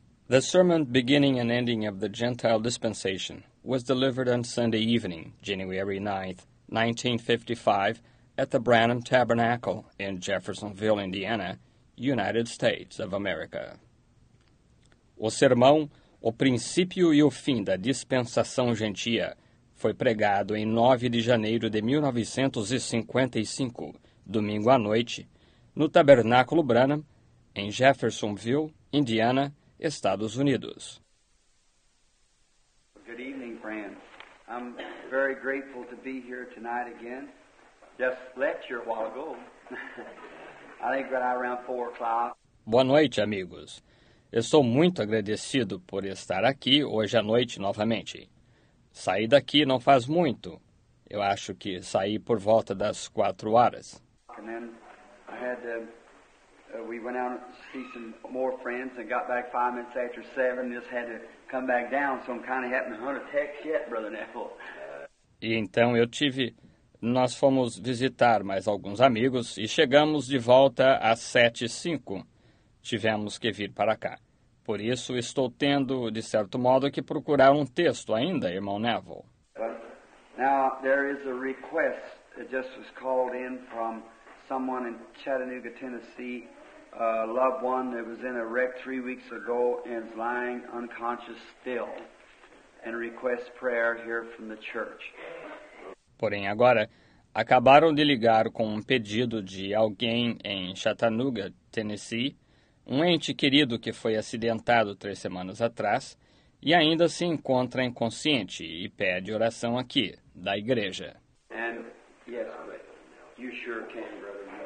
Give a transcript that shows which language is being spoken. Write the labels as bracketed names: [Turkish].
[English] The sermon beginning and ending of the Gentile dispensation was delivered on Sunday evening, January 9, 1955, at the Branham Tabernacle in Jeffersonville, Indiana, United States of America. [Portuguese] O sermão, O Princípio e o Fim da Dispensação Gentia, foi pregado em 9 de janeiro de 1955, domingo à noite, no Tabernáculo Branham, em Jeffersonville, Indiana, Estados Unidos. [English] Good evening, friends. I'm very grateful to be here tonight again. Just lecture a while ago. I think right around 4 o'clock. [Portuguese] Boa noite, amigos. Eu sou muito agradecido por estar aqui hoje à noite novamente. Saí daqui não faz muito. Eu acho que saí por volta das 4 horas. [English] And then I had to... We went out to see some more friends and got back 5 minutes after 7, just had to come back down, so I'm kind of having to hunt a text yet, Brother Neville. [Portuguese] E então eu tive, nós fomos visitar mais alguns amigos e chegamos de volta às 7:05. Tivemos que vir para cá. Por isso estou tendo, de certo modo, que procurar um texto ainda, irmão Neville. [English] But now there is a request that just was called in from someone in Chattanooga, Tennessee, a loved one that was in a wreck 3 weeks ago and is lying unconscious still, and requests prayer here from the church. [Portuguese] Porém, agora, acabaram de ligar com um pedido de alguém em Chattanooga, Tennessee, um ente querido que foi acidentado 3 semanas atrás e ainda se encontra inconsciente e pede oração aqui, da igreja. [English] And, yes, you sure can, brother.